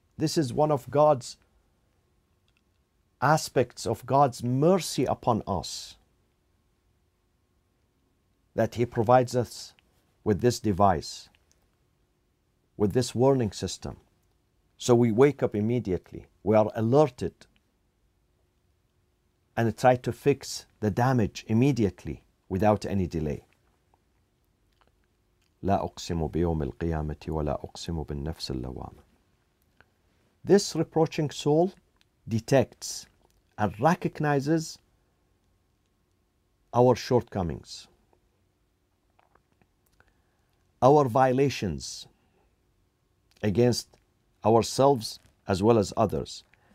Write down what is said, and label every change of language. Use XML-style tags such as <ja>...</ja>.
<en>This is one of God's aspects of God's mercy upon us, that He provides us with this device, with this warning system. So we wake up immediately. We are alerted and try to fix the damage immediately without any delay.</en> <ar>لا أقسم بيوم القيامة ولا أقسم بالنفس اللوامة.</ar> <en>This reproaching soul detects and recognizes our shortcomings, our violations against ourselves as well as others.</en>